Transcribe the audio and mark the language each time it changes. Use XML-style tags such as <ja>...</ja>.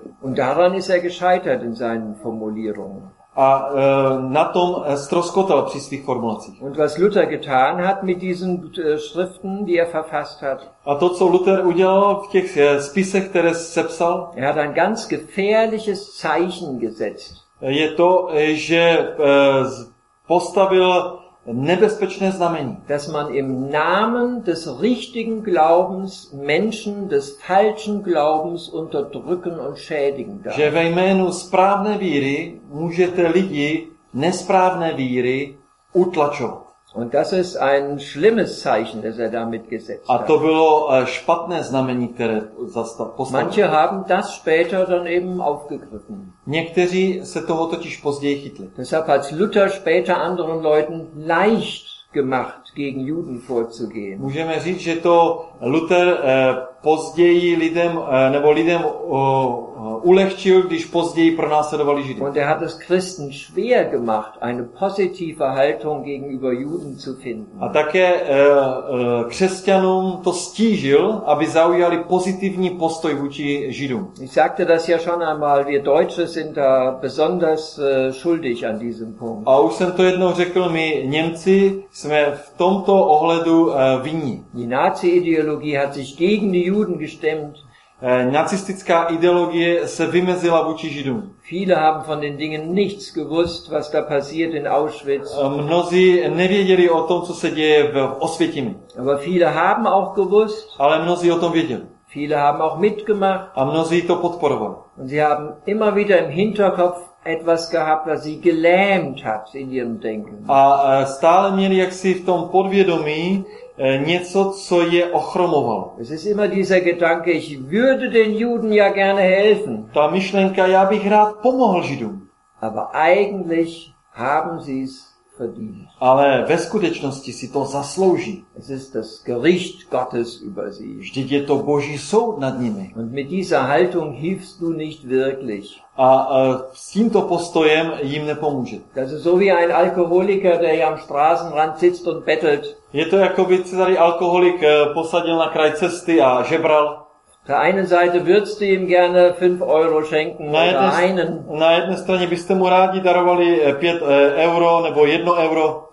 <de>Und daran ist er gescheitert in seinen Formulierungen.</de> <cs>A na tom ztroskotal při svých formulacích.</cs> <de>Und was Luther getan hat mit diesen Schriften, die er verfasst hat.</de> <cs>A to, co Luther udělal v těch spisech, které sepsal.</cs> <de>Er hat ein ganz gefährliches Zeichen gesetzt.</de> <cs>Je to, že postavil nebezpečné znamení.</cs> <de>Dass man im Namen des richtigen Glaubens Menschen des falschen Glaubens unterdrücken und schädigen darf.</de> <cs>Že ve jménu správné víry můžete lidi nesprávné víry utlačovat.</cs> <de>Und das ist ein schlimmes Zeichen, das er damit gesetzt hat.</de> <cs>A to bylo špatné znamení, které postavil.</cs> <de>Manche haben das später dann eben aufgegriffen.</de> <cs>Někteří se toho totiž později chytli.</cs> <de>Deshalb hat Luther später anderen Leuten leicht gemacht, gegen Juden vorzugehen.</de> <cs>Můžeme říct, že to Luther později lidem nebo lidem ulehčil, když později pronásledovali Židy.</cs> <de>Und er hat es Christen schwer gemacht, eine positive Haltung gegenüber Juden zu finden.</de> <cs>A také křesťanům to stížil, aby zaujali pozitivní postoj vůči Židům.</cs> <de>Ich sagte das ja schon einmal, wir Deutsche sind da besonders schuldig an diesem Punkt.</de> <cs>A už jsem to jednou řekl, my Němci jsme v tomto ohledu vinni.</cs> <de>Die Nazi-Ideologie hat sich gegen die Juden gestemmt.</de> <cs>Nacistická ideologie se vymezila vůči Židům.</cs> <de>Viele haben von den Dingen nichts gewusst, was da passiert in Auschwitz.</de> <cs>Mnozí nevěděli o tom, co se děje v Osvětimi.</cs> <de>Aber viele haben auch gewusst.</de> <cs>Ale mnozí o tom věděli.</cs> <de>Viele haben auch mitgemacht.</de> <cs>A mnozí to podporovali.</cs> <de>Und sie haben immer wieder im Hinterkopf etwas gehabt, was sie gelähmt hat in ihrem Denken.</de> <cs>A stále měli jaksi v tom podvědomí něco, co je ochromovalo.</cs> <de>Es ist immer dieser Gedanke, ich würde den Juden ja gerne helfen.</de> <cs>Ta myšlenka, já bych rád pomohl Židům.</cs> <de>Aber eigentlich haben sie es verdient.</de> <cs>Ale ve skutečnosti si to zaslouží.</cs> <de>Es ist das Gericht Gottes über sie.</de> <cs>Vždyť je to Boží soud nad nimi.</cs> <de>Und mit dieser Haltung hilfst du nicht wirklich.</de> <cs>A s tímto postojem jim nepomůže.</cs> <de>Das ist so wie ein Alkoholiker, der hier am Straßenrand sitzt und bettelt.</de> <cs>Je to jako by se tady alkoholik posadil na kraj cesty a žebral.</cs> <de>Der eine Seite würdest du ihm gerne 5 Euro schenken oder einen.</de> <cs>Na jedné straně byste mu rádi darovali 5 euro nebo 1 euro.</cs>